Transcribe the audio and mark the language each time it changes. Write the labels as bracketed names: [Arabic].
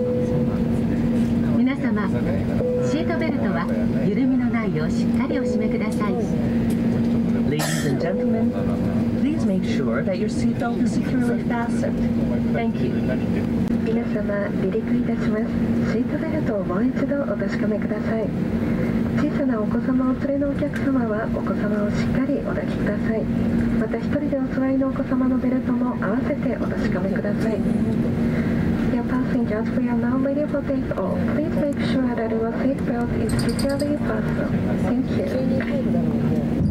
[Japanese] 皆様、シートベルトは緩みのないようしっかりお締めください。 [English] Ladies and gentlemen, please make sure that your seatbelt is securely fastened. Thank you. [Japanese] 皆様、離陸いたします。シートベルトをもう一度お確かめください。小さなお子様をお連れのお客様はお子様をしっかりお抱きください。また一人でお座りのお子様のベルトも合わせてお確かめください。 [English] Dear passengers, we are now ready for takeoff. Please make sure that your seat belt is securely fastened. Thank you.